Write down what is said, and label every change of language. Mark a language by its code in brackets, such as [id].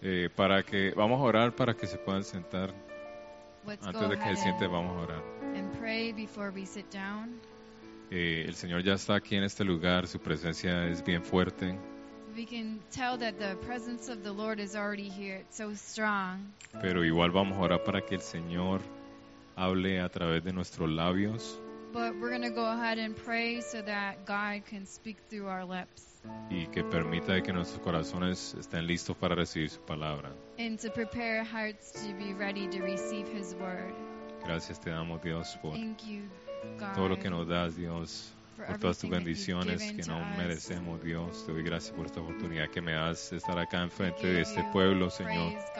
[es] Para que vamos a orar para que se puedan sentar. [en] Let's [es] antes de que se sienten, vamos a orar. [en] And pray before we sit down. [es] El Señor ya está aquí en este lugar, su presencia es bien fuerte. [en] We can tell that the presence of the Lord is already here. It's so strong. [es] Pero igual vamos a orar para que el Señor hable a través de nuestros labios. [en] But we're going to go ahead and pray so that God can speak through our lips. [es] Y que permita que nuestros corazones estén listos para recibir su palabra. [en] And to prepare our hearts to be ready to receive his word. [es] Gracias te damos, Dios, por [en] thank you, God, [es] todo lo que nos das, Dios. Por todas tus bendiciones que no merecemos, Dios. Te doy gracias por esta oportunidad que me das de estar acá enfrente de este pueblo, Señor.